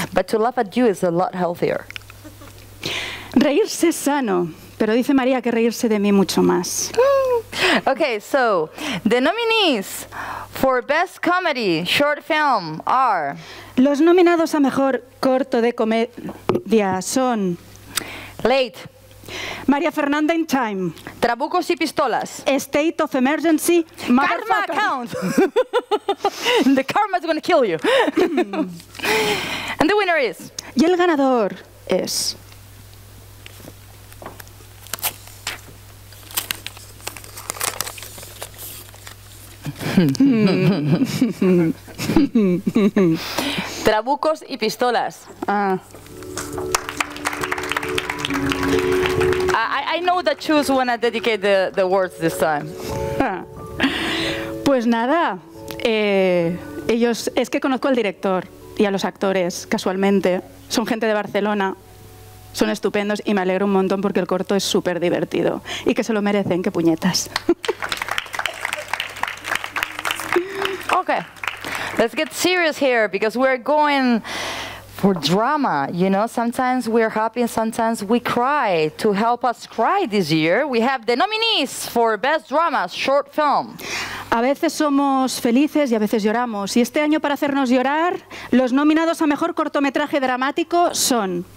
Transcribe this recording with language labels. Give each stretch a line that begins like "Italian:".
English: But to laugh at you is a lot healthier.
Spanish: Reírse sano, pero dice María que reírse de mí mucho más.
English: Okay, so the nominees for Best Comedy Short Film are...
Spanish: Los nominados a Mejor Corto de Comedia son...
English: Late. María Fernanda in Time.
Spanish: Trabucos y Pistolas.
English: State of Emergency. Karma Account. The karma is going to kill you. And the winner is...
Spanish: Y el ganador es... Trabucos y Pistolas.
English: I know that Chus wanna dedicate the words this time.
Spanish: Pues nada, ellos, es que conozco al director y a los actores, casualmente. Son gente de Barcelona. Son estupendos y me alegro un montón porque el corto es súper divertido. Y que se lo merecen, qué puñetas.
English: Okay, let's get serious here because we're going for drama, you know. Sometimes we're happy and sometimes we cry. To help us cry this year, we have the nominees for Best Drama Short Film.
Spanish: A veces somos felices y a veces lloramos. Y este año, para hacernos llorar, los nominados a Mejor Cortometraje Dramático son...